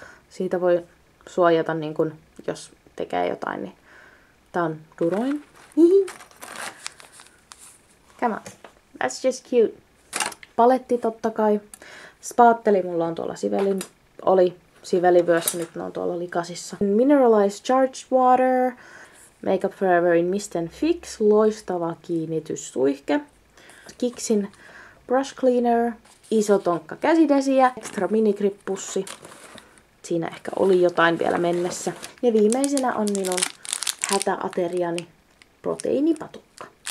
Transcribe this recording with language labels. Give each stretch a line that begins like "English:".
Finnish: Siitä voi suojata, niin kun, jos tekee jotain, niin tää on duroin.
English: Come on. That's just cute.
Finnish: Paletti totta kai. Spaatteli mulla on tuolla sivelin. Oli sivelivyössä, nyt ne on tuolla likasissa.
English: Mineralized Charged Water.
Finnish: Make Up Foreverin Mist & Fix. Loistava kiinnityssuihke. Kixin brush cleaner, iso tonkka käsidesiä, extra minikrippussi. Siinä ehkä oli jotain vielä mennessä. Ja viimeisenä on minun hätäateriani proteiinipatukka.